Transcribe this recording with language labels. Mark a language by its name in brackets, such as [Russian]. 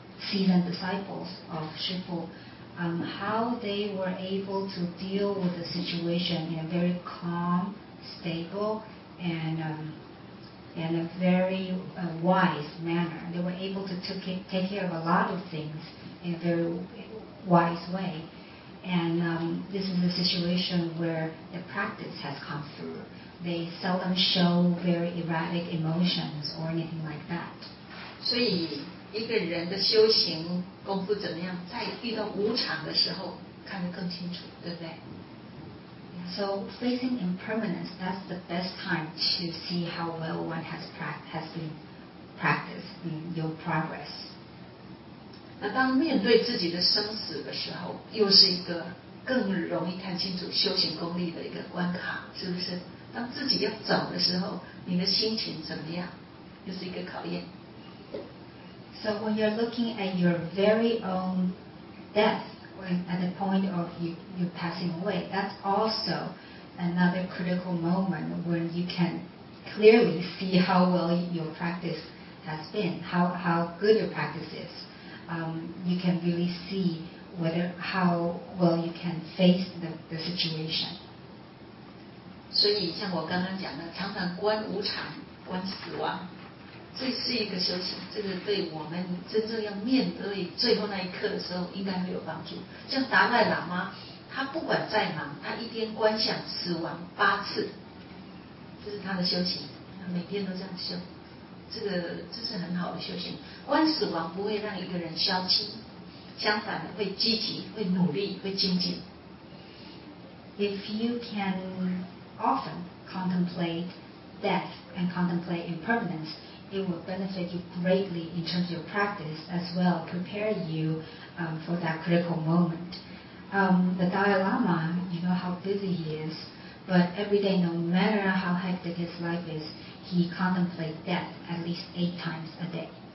[English] seasoned disciples of Shifu, how they were able to deal with the situation in a very calm, stable, and in a very wise manner. They were able to take care of a lot of things in a very wise way. And this is a situation where the practice has come through. They seldom show very erratic emotions or anything like that. [Chinese] 所以一个人的修行功夫怎么样，在遇到无常的时候看得更清楚，对不对？ [English] So facing impermanence, that's the best time to see how well one has been practiced in your progress. [Chinese] 那当面对自己的生死的时候，又是一个更容易看清楚修行功力的一个关卡，是不是？当自己要走的时候，你的心情怎么样？又是一个考验。 [English] So when you're looking at your very own death,at the point of you passing away, that's also another critical moment when you can clearly see how well your practice has been, how good your practice is. You can really see how well you can face the situation. [Chinese] 所以像我刚刚讲的，常常观无常、观死亡，这是一个修行，这个对我们真正要面对最后那一刻的时候应该会有帮助。像达赖喇嘛，他不管再忙，他一天观想死亡8次，这是他的修行，他每天都这样修，这是很好的修行。观死亡不会让一个人消气，相反的会积极会努力会精进。 [English] If you can often contemplate death and contemplate impermanence, it will benefit you greatly in terms of your practice as well, prepare you for that critical moment. The Dalai Lama, you know how busy he is, but every day, no matter how hectic his life is, he contemplates death at least 8 times a day.